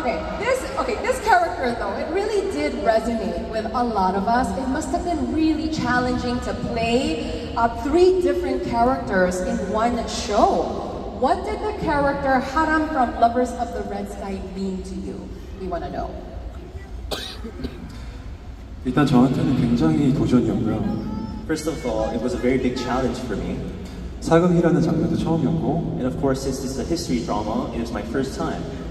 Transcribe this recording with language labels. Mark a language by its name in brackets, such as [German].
[English] Okay, this character though, it really did resonate with a lot of us. It must have been really challenging to play three different characters in one show. What did the character Haram from Lovers of the Red Sky mean to you? We want to know. [Korean] 일단 저한테는 굉장히 도전이었고요. [English] First of all, it was a very big challenge for me. [Korean] 사극이라는 장르도 처음이었고. [English] And of course, since this is a history drama, it was my first time.